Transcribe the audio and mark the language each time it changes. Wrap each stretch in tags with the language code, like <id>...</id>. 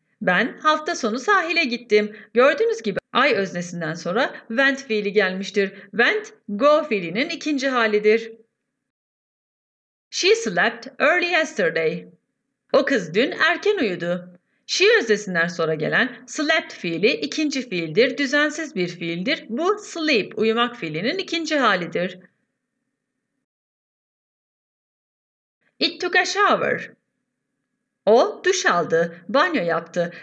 <tr>Ben hafta sonu sahile gittim. Gördüğünüz gibi I öznesinden sonra went fiili gelmiştir. Went, go fiilinin ikinci halidir.</tr> <en>She slept early yesterday.</en> <tr>O kız dün erken uyudu. She öznesinden sonra gelen slept fiili ikinci fiildir. Düzensiz bir fiildir. Bu sleep, uyumak fiilinin ikinci halidir.</tr> <en>It took a shower.</en> <tr>O duş aldı, banyo yaptı.</tr>